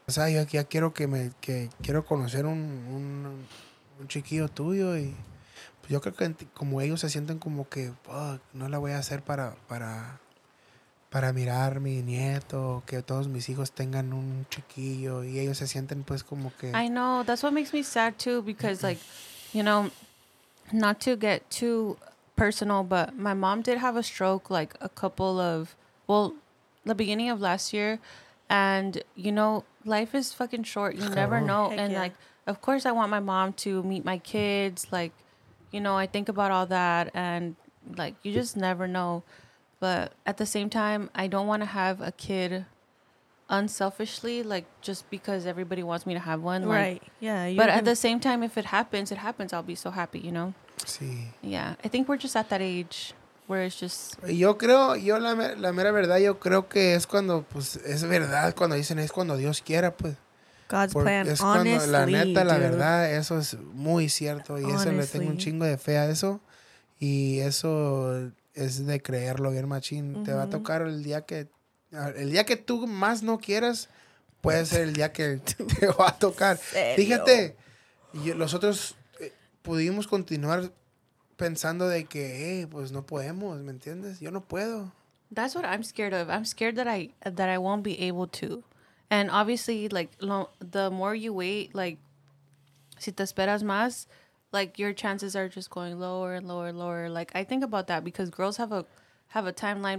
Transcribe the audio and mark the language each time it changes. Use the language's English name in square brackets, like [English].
[Spanish] O sea, yo ya quiero quiero conocer un chiquillo tuyo y pues yo creo que como ellos se sienten como que, oh, no la voy a hacer para mirar mi nieto, que todos mis hijos tengan un chiquillo y ellos se sienten pues como que... [English] I know, that's what makes me sad too because like, you know, not to get too personal, but my mom did have a stroke like a couple of, well... the beginning of last year, and you know, life is fucking short, you never know. Heck, and yeah. Like, of course I want my mom to meet my kids, like, you know, I think about all that, and like, you just never know. But at the same time, I don't want to have a kid unselfishly, like, just because everybody wants me to have one, like, right? Yeah, but at the same time, if it happens, it happens, I'll be so happy, you know. See, [Spanish] sí. [English] Yeah, I think we're just at that age where it's just... [Spanish] Yo creo, yo la mera verdad, yo creo que es cuando, pues, es verdad, cuando dicen, es cuando Dios quiera, pues. [English] God's plan, honestly. [Spanish] Es cuando, [English] honestly, [Spanish] la neta, [English] dude. [Spanish] La verdad, eso es muy cierto. Y honestly. Eso le tengo un chingo de fe a eso. Y eso es de creerlo bien machín. Mm-hmm. Te va a tocar el día que tú más no quieras, puede ser el día que te va a tocar. Fíjate, nosotros pudimos continuar... pensando de que, hey, pues no podemos, ¿me entiendes? Yo no puedo. [English] That's what I'm scared of. I'm scared that I won't be able to. And obviously, like, the more you wait, like, [Spanish] si te esperas más, [English] like, your chances are just going lower and lower and lower. Like, I think about that because girls have a timeline.